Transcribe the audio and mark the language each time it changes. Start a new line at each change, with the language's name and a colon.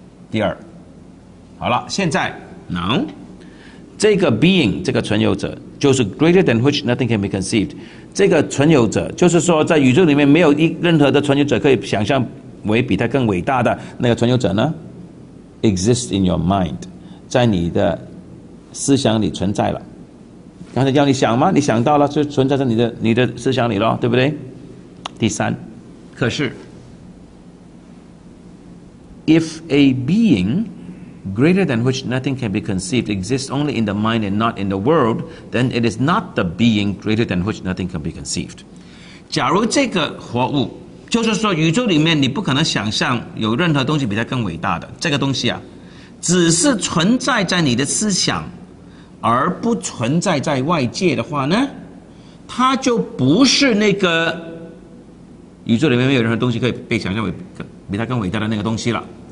Chinese: 第二，好了，现在 now 这个 being 这个存有者就是
English: greater than which nothing can be conceived，
Chinese: 这个存有者就是说在宇宙里面没有任何的存有者可以想象为比它更伟大的那个存有者呢，
English: exist in your mind，
Chinese: 在你的思想里存在了。刚才叫你想吗？你想到了，就存在在你的思想里了，对不对？第三，可是
English: ，if a being greater than which nothing can be conceived exists only in the mind and not in the world, then it is not the being greater than which nothing can be conceived。
Chinese: 假如这个活物，就是说宇宙里面你不可能想象有任何东西比它更伟大的，这个东西啊，只是存在在你的思想。而不存在在外界的话呢，它就不是那个宇宙里面没有任何东西可以被想象为比它更伟大的那个东西了。